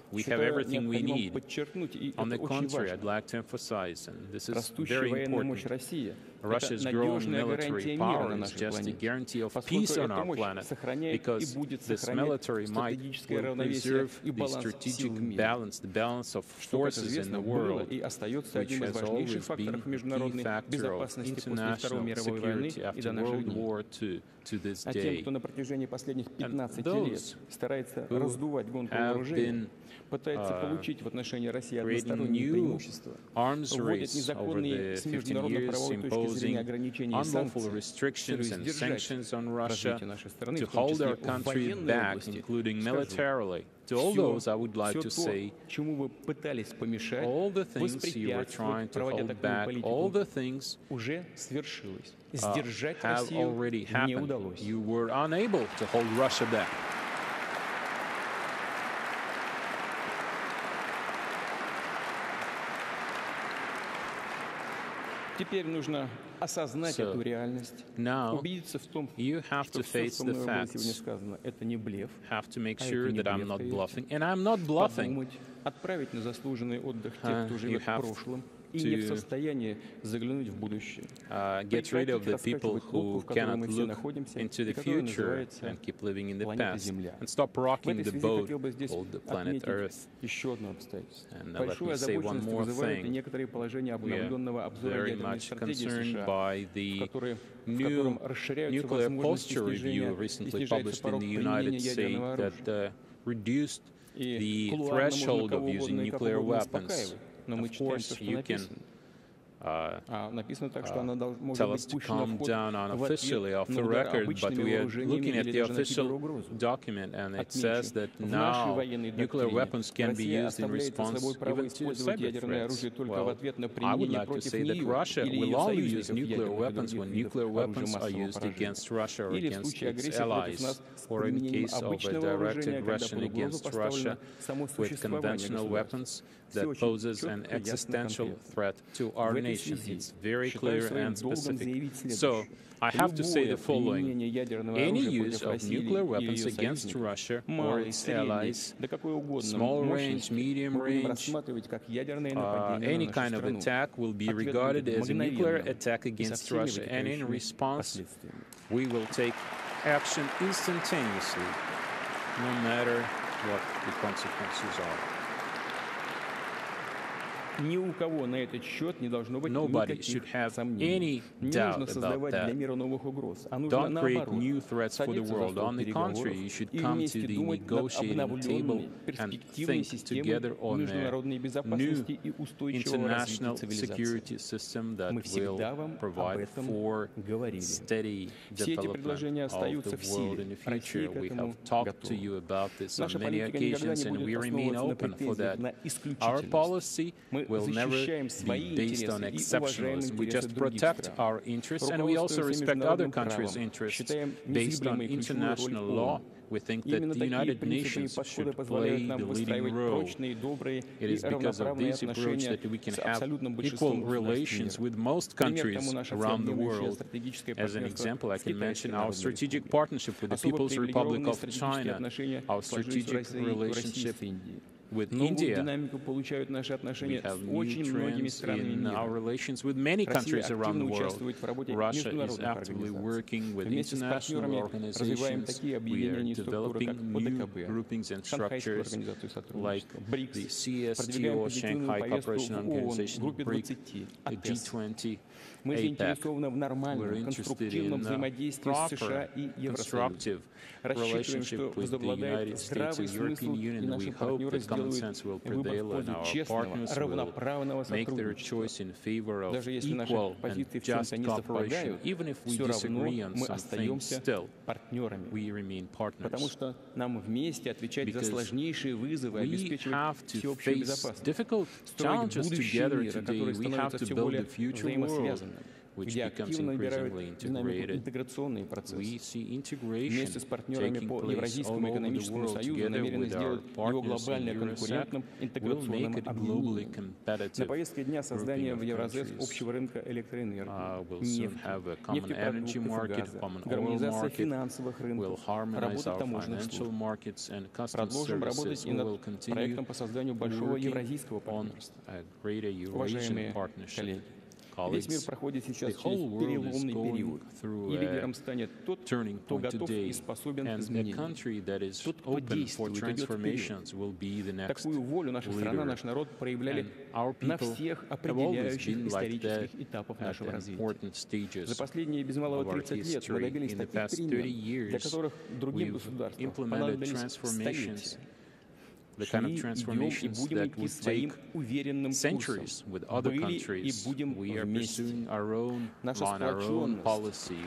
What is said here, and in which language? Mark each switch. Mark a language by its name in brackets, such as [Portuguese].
[English] We have everything we need. On the contrary, I'd like to emphasize, and this is very important, Russia's growing military power is just a guarantee of peace on our planet, because this military might will preserve the strategic balance, the balance of forces in the world, which has always been a key factor of international security after World War II. To this day. [Russian] А тем, кто на протяжении последних 15 лет старается раздувать гонку вооружения, пытается получить в отношении России одностороннее преимущество, вводит незаконные с международной правовой точки зрения ограничения и санкции, чтобы сдержать развитие нашей страны, в том числе в военной области, скажу, [English] Like [Russian] все то, чему вы пытались помешать, воспрепятствовать, проводя такую политику, уже свершилось. Сдержать Россию не удалось. [English] You were unable to hold Russia back. [Russian] Теперь нужно осознать эту реальность, убедиться в том, что все, что мною было сегодня сказано, это не блеф, а это не блеф, подумать, отправить на заслуженный отдых тех, кто живет в прошлом, и не в состоянии заглянуть в будущее. [English] Get rid of the people who cannot look into the future and keep living in the past. And stop rocking the boat called the planet Earth. [Russian] Еще одно обстоятельство. Большую озабоченность вызывают и некоторые положения обновленного обзора ядерной стратегии США, в котором расширяются возможности снижения и снижается порог применения ядерного оружия. [English] The threshold of using nuclear weapons. [Russian] Но мы читаем, что написано. [English] tell us to calm down unofficially off the record, but we are looking at the official document, and it says that now nuclear weapons can be used in response even to cyber threats. Well, I would like to say that Russia will only use nuclear weapons when nuclear weapons are used against Russia or against its allies, or in case of a direct aggression against Russia with conventional weapons that poses an existential threat to our nation. It's very clear and specific. So I have to say the following. Any use of nuclear weapons against Russia or its allies, small range, medium range, any kind of attack will be regarded as a nuclear attack against Russia. And in response, we will take action instantaneously, no matter what the consequences are. [Russian] Ни у кого на этот счет не должно быть никаких сомнений. Не нужно создавать для мира новых угроз, а нужно наоборот садиться за стол переговоров и вместе думать над обновленной перспективной системой международной безопасности и устойчивого развития цивилизации. Мы всегда вам об этом говорили. Все эти предложения остаются в силе. Россия к этому готова. Наша политика никогда не будет основываться на претензиях на исключительность. [English] We'll never be based on exceptionalism. We just protect our interests, and we also respect other countries' interests based on international law. We think that the United Nations should play the leading role. It is because of this approach that we can have equal relations with most countries around the world. As an example, I can mention our strategic partnership with the People's Republic of China, our strategic relationship with India. We have new trends in our relations with many countries around the world. Russia is actively working with international organizations. We are developing new groupings and structures like the CSTO, Shanghai Cooperation Organization, BRIC, the G20, [Russian] Мы заинтересованы в нормальном, конструктивном взаимодействии с США и Евросоюзом. Рассчитываем, что возобладает здравый смысл, и наши партнеры сделают выбор в пользу честного, равноправного сотрудничества. Даже если наши позиции в чем-то не совпадают, все равно мы остаемся партнерами, потому что нам вместе отвечать за сложнейшие вызовы, обеспечивать всеобщую безопасность, строить будущий мир, который становится все более взаимосвязанным, [English] which becomes increasingly integrated. We see integration taking place all over the world together with our partners in Eurosec, will make it globally competitive grouping of countries. We'll soon have a common energy market, common oil market, we'll harmonize our financial markets and customs services. We will continue working on a greater Eurasian partnership. [Russian] Весь мир проходит сейчас через переломный период, и лидером станет тот, кто готов и способен к изменениям. Тот, кто действует, идет вперед. Такую волю наша страна, наш народ проявляли на всех определяющих исторических этапах нашего развития. За последние без малого 30 лет мы добились таких перемен, для которых другим государствам понадобились столетия. [English] The kind of transformations that would take centuries with other countries. We are pursuing our own line, our own policy.